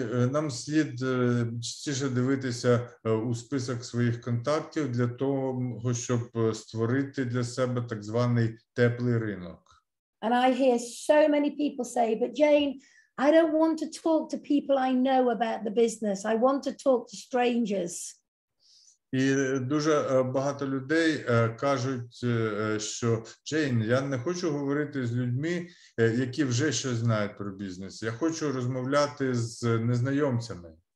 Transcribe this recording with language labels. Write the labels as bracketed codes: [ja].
[uk] Нам слід частіше дивитися у список своїх контактів для того, щоб створити для себе так званий теплий ринок. [en] And I hear so many people say, but Jane, I don't want to talk to people I know about the business. I want to talk to strangers. [uk] І дуже багато людей кажуть, що Джейн, я не хочу говорити з людьми, які вже щось знають про бізнес. Я хочу розмовляти з незнайомцями.